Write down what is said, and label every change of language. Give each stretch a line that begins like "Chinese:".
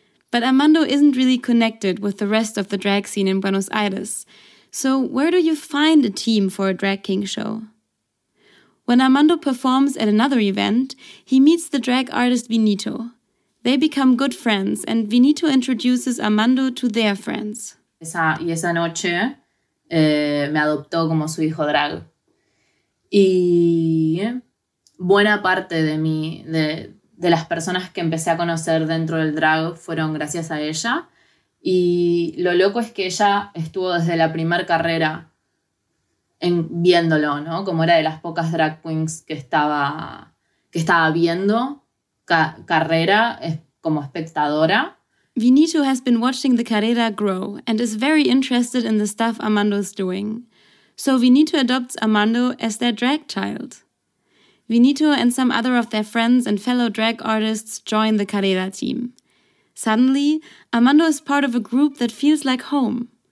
English: But Armando isn't really connected with the rest of the drag scene in Buenos Aires. So where do you find a team for a drag king show? When Armando performs at another event, he meets the drag artist Vinito. They become good friends and Vinito introduces Armando to their friends.
Spanish: Esa noche me adoptó como su hijo drag. Y buena parte de mí, de las personas que empecé a conocer dentro del drag fueron gracias a ella. Y lo loco es que ella estuvo desde la primer carrera viéndolo, ¿no? Como era de las pocas drag queens que estaba viendo carrera como espectadora.
English: Vinito has been watching the Carrera grow and is very interested in the stuff Armando is doing. So Vinito adopts Armando as their drag child. Vinito and some other of their friends and fellow drag artists join the Carrera team. Suddenly, Armando is part of a group that feels like home.